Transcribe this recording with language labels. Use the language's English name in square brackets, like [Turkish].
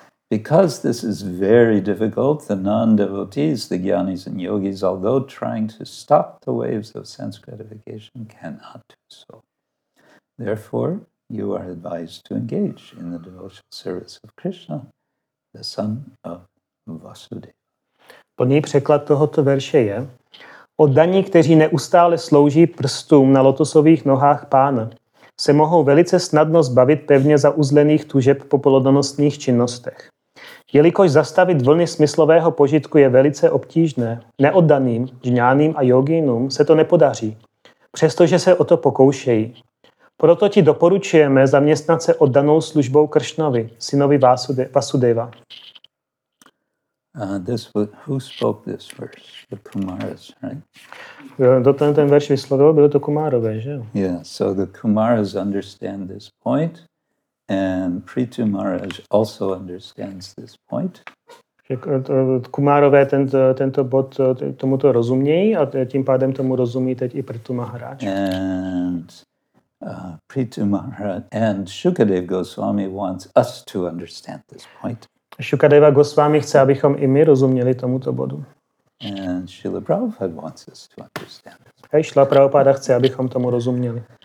[English] Because this is very difficult, the non-devotees, the jnanis and yogis, although trying to stop the waves of sense gratification, cannot do so. Therefore, you are advised to engage in the devotional service of Krishna, the son of Vasudeva. [Czech] Plný překlad tohoto verše je: oddaní, kteří neustále slouží prstům na lotosových nohách pána, se mohou velice snadno zbavit pevně zauzlených tužeb po plodonosných činnostech. Jelikož zastavit vlny smyslového požitku je velice obtížné, neoddaným, džňáným a jogínům se to nepodaří, přestože se o to pokoušejí. Proto ti doporučujeme zaměstnat se oddanou službou Kršnovi, synovi Vasudeva. [English] Who spoke this verse? The Kumaras, right? [Czech] Ten verš vyslovil, bylo to Kumárové, že? [English] Yeah, so the Kumaras understand this point. And Prithu Maharaj also understands this point. [Czech] Kumárové tento bod tomuto rozumějí a tím pádem tomu rozumí teď i Prithu Maharaj. [English] And Prithu Maharaj and Shukadeva Goswami wants us to understand this point. [Czech] Shukadeva Goswami chce, abychom i my rozuměli tomuto bodu. [English] And Srila Prabhupada wants us to understand this point. [Czech] A Srila Prabhupada chce, abychom tomu rozuměli.